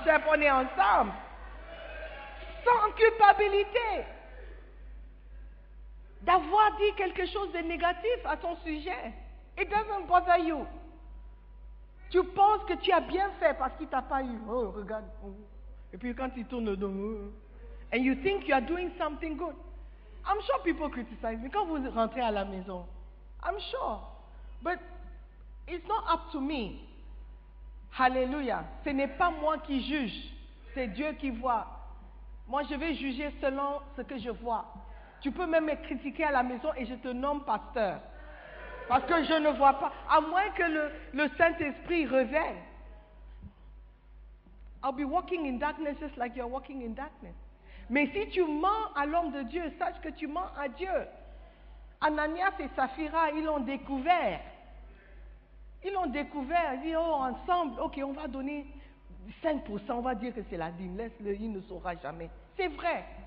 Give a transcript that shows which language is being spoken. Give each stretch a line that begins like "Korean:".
French: Chef, on est ensemble. Sans culpabilité. D'avoir dit quelque chose de négatif à ton sujet.
English: It doesn't bother you.
French: Tu penses que tu as bien fait parce qu'il ne t'a pas eu. Oh, regarde. Et puis quand il tourne le dos.
English: And you think you are doing something good. I'm sure people criticize me.
French: Quand vous rentrez à la maison.
English: I'm sure. But it's not up to me. Hallelujah.
French: Ce n'est pas moi qui juge. C'est Dieu qui voit. Moi, je vais juger selon ce que je vois. Tu peux même me critiquer à la maison et je te nomme pasteur. Parce que je ne vois pas. À moins que le Saint-Esprit revienne.
English: I'll be walking in darkness just like you're walking in darkness.
French: Mais si tu mens à l'homme de Dieu, sache que tu mens à Dieu. Ananias et Saphira, ils l'ont découvert. Ils l'ont découvert. Ils disent, oh, ensemble, ok, on va donner 5%. On va dire que c'est la dîme. Laisse-le, il ne saura jamais. C'est vrai.